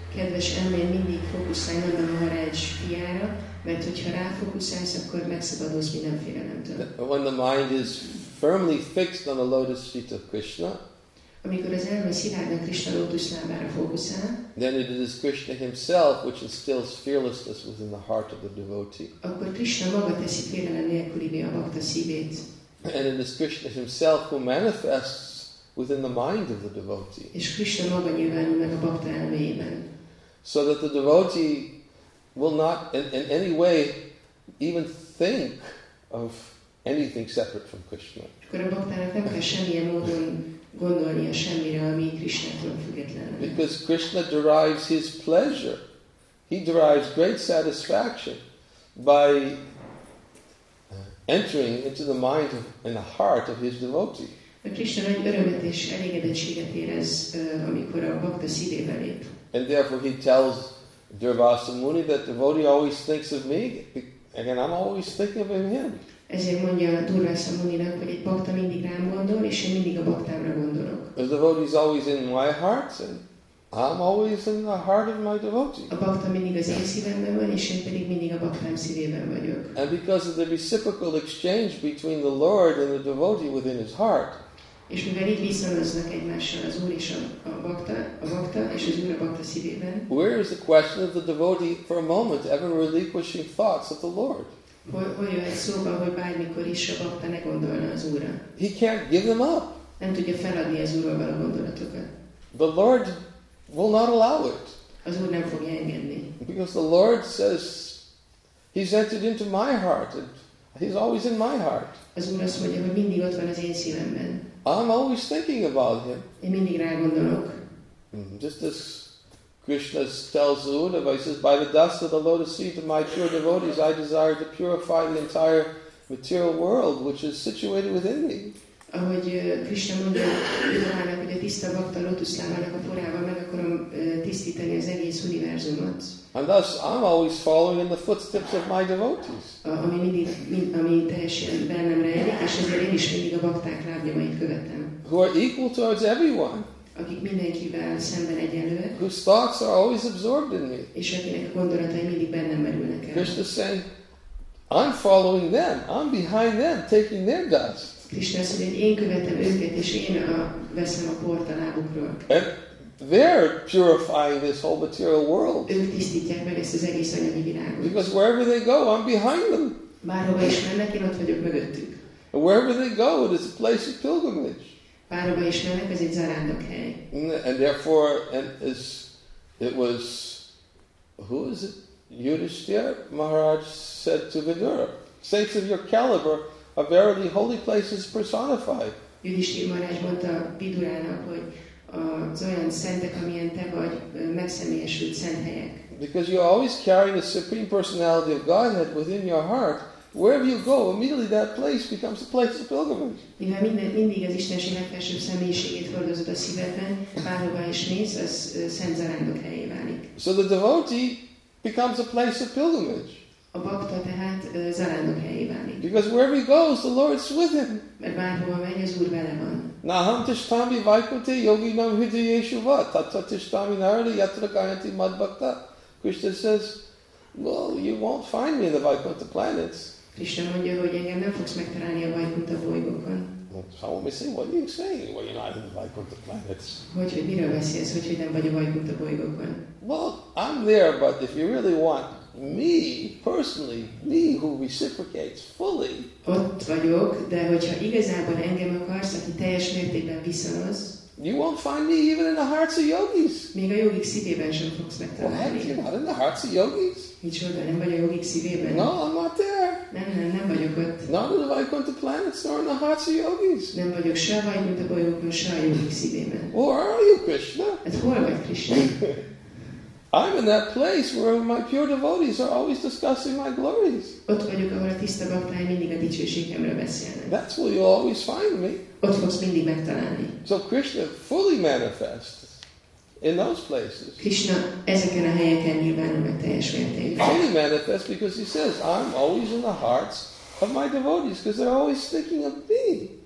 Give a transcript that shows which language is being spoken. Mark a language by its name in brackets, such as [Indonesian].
[Hungarian] Kedves elmén, mindig fókuszálj Nanda Maharaj fiára, mert hogyha ráfókuszálsz, akkor megszabadulsz minden félelemtől. [English] When the mind is firmly fixed on the lotus feet of Krishna, [Hungarian] amikor az elme szilárdan Krishna lótusz lábára fókuszál, [English] then it is Krishna himself which instills fearlessness within the heart of the devotee. [Hungarian] Akkor Krishna maga teszi félelem nélkülivé a bhakta szívét. [English] And it is Krishna himself who manifests within the mind of the devotee. [Hungarian] És Krishna maga nyilvánul meg a bhakta elméjében. [English] So that the devotee will not in any way even think of anything separate from Krishna. [Hungarian] Akkor a bhaktának nem kell semmilyen módon gondolnia semmire, ami Krishnától függetlenül. [English] Because Krishna derives his pleasure, he derives great satisfaction by entering into the mind of, and the heart of his devotee. [Hungarian] A Krishna nagy örömet és elégedettséget érez, amikor a bhakta szívébe lép. [English] And therefore he tells Durvasa Muni that the devotee always thinks of me, and I'm always thinking of him. [Hungarian] Ezért mondja Durvasa Muninak, hogy egy bhakta mindig rám gondol, és én mindig a bhaktámra gondolok. [English] The devotee is always in my heart, and I'm always in the heart of my devotee. [Hungarian] A bhakta mindig az én szívemben van, és én pedig mindig a bhaktám szívében vagyok. [English] And because of the reciprocal exchange between the Lord and the devotee within his heart. [Hungarian] És mivel így viszonoznak egymással az Úr és a bhakta és az Úr a bhakta szívében. [English] Where is the question of the devotee for a moment ever relinquishing thoughts of the Lord? [Hungarian] Hogy jöhet szóba, hogy bármikor is a bhakta ne gondolna az Úrra? [English] He can't give them up. [Hungarian] Nem tudja feladni az Úrra való gondolatokat. [English] The Lord will not allow it. [Hungarian] Az Úr nem fogja engedni. [English] Because the Lord says, he's entered into my heart. And he's always in my heart. [Hungarian] Az Úr azt mondja, hogy mindig ott van az én szívemben. [English] I'm always thinking about him. [Hungarian] Én mindig rá gondolok. [English] Just as Krishna tells Uddhava, he says, by the dust of the lotus feet of my pure devotees, I desire to purify the entire material world, which is situated within me. [Hungarian] Ahogy Krishna mondja, Uddhavának, hogy a tiszta bhakta lótusz lábának a porával meg akarom tisztítani az egész univerzumot. [English] And thus, I'm always following in the footsteps of my devotees. [Hungarian] Ami teljesen bennem rejlik, és ezért én is mindig a bhakták lábnyomait követem. [English] Who are equal towards everyone. [Hungarian] Akik mindenkivel szemben egyenlőek. [English] Whose thoughts are always absorbed in me. [Hungarian] És akinek a gondolatai mindig bennem merülnek el. [English] Krishna saying, I'm following them, I'm behind them, taking their dust. [Hungarian] Krishna azt mondja, én követem őket, és én veszem a port a lábukról. [English] They're purifying this whole material world. [Hungarian] Ők tisztítják meg ezt az egész anyagi világot. [English] Because wherever they go, I'm behind them. [Hungarian] Bárhova is mennek, én ott vagyok mögöttük. [English] And wherever they go, it is a place of pilgrimage. [Hungarian] Bárhova is mennek, ez egy zarándokhely. [English] And therefore, and as it was, who is it? Yudhishthira Maharaj said to Vidura, saints of your caliber are verily holy places personified. [Hungarian] Yudhishthira Maharaj mondta Vidurának, hogy az olyan szentek, amilyen te vagy, megszemélyesült szent helyek. [English] Because you always carry the supreme personality of Godhead within your heart, wherever you go, immediately that place becomes a place of pilgrimage. [Hungarian] Mivel mindig az Istenség legfelsőbb személyiségét hordozod a szívedben, bárhová is mész, az szent zarándok helyé válik. [English] So the devotee becomes a place of pilgrimage. [Hungarian] A bhakta tehát zarándok helyé válik. [English] Because wherever he goes, the Lord's with him. [Hungarian] Mert bárhova megy, az Úr vele van. [Sanskrit] Naham tishtami vaikunte yogi nam hridayeshu va tatva tishtami narada yatra gayanti madbhakta. [English] Krishna says, well, you won't find me in the Vaikuntha planets. [Hungarian] Krishna mondja, hogy engem nem fogsz megtalálni a Vaikuntha bolygókon. [English] So we say, what are you saying? Well, you're not in the Vaikuntha planets. [Hungarian] Hogy mire beszélsz, hogy nem vagy a Vaikuntha bolygókon? [English] Well, I'm there, but if you really want me personally, me who reciprocates fully. [Hungarian] Ott vagyok, de hogyha igazából engem akarsz, aki teljes mértékben viszonoz. [English] You won't find me even in the hearts of yogis. [Hungarian] Még a jogik szívében sem fogsz megtalálni. [English] What? You're not in the hearts of yogis? [Hungarian] Micsoda, nem vagy a jogik szívében. [English] No, I'm not there. [Hungarian] Nem vagyok ott. [English] Not in the Vaikuntha planets, nor in the hearts of yogis. [Hungarian] Nem vagyok se a Vaikuntha bolygókon, se a jogik szívében. [English] Where are you, Krishna? [Hungarian] Hát hol vagy, Krishna? [English] I'm in that place where my pure devotees are always discussing my glories. [Hungarian] Ott vagyok, ahol a tiszta baktáim mindig a dicsőségemről beszélnek. [English] That's where you'll always find me. [Hungarian] Ott fogsz mindig megtalálni. [English] So Krishna fully manifests in those places. [Hungarian] Krishna ezeken a helyeken nyilvánul meg teljes mértékben. [English] Fully manifests because he says, I'm always in the hearts of my devotees because they're always thinking of me.